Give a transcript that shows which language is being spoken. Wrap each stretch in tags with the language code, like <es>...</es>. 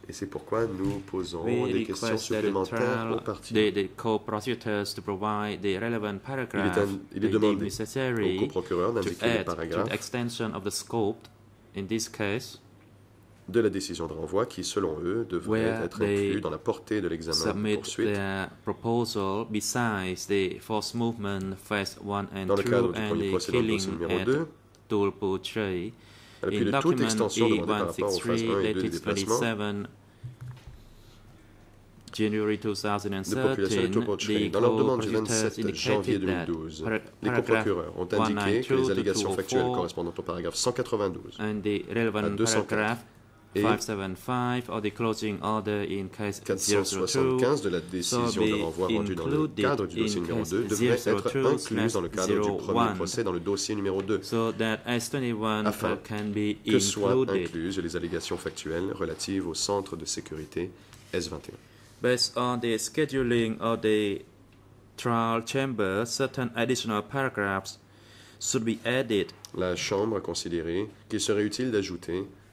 <fr>Et c'est pourquoi nous posons des questions supplémentaires aux parties.</fr> <en>The co-prosecutors to provide the relevant paragraph.</en> <fr>Il est demandé aux co-procureurs d'indiquer les paragraphes.</fr> <en>To the extension of the scope in this case.</en> <fr>De la décision de renvoi qui, selon eux, devrait être inclus dans la portée de l'examen de poursuite.</fr> <en>Submit their proposal besides the force movement phase 1 and 2 and the killing at Tulpu Tree. In document E163-27, January 2013, the co-procureurs indicated that paragraph 192 and the relevant paragraph 575 of the closing order in case 0-2 so be included in case 0-1 so that S21 can be included.</en> <fr>Afin que soient incluses les allégations factuelles relatives au centre de sécurité S21.</fr> <en>Based on the scheduling of the trial chamber, certain additional paragraphs should be added.</en> <fr>La chambre a considéré qu'il serait utile d'ajouter</fr>